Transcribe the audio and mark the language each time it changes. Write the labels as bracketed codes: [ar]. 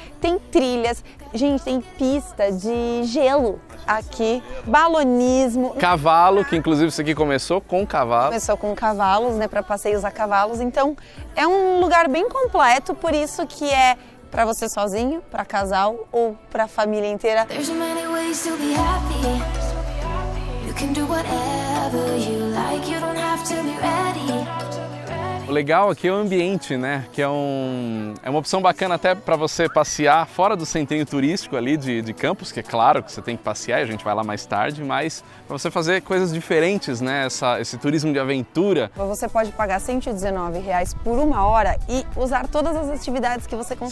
[pt] Tem trilhas. Gente, tem pista de gelo aqui. Balonismo. Cavalo, que inclusive isso aqui começou com cavalo. Começou com cavalos, né? Para passeios a cavalos. Então é um lugar bem completo, por isso que é para você sozinho, para casal ou para a família inteira. [en] There's many ways to be happy. You can do whatever you like, you don't have to be ready. [pt] O legal aqui é o ambiente, né? Que é uma opção bacana até para você passear fora do centrinho turístico ali de Campos, que é claro que você tem que passear, a gente vai lá mais tarde, mas para você fazer coisas diferentes, né? Esse turismo de aventura. Você pode pagar R$119 por uma hora e usar todas as atividades que você conseguir.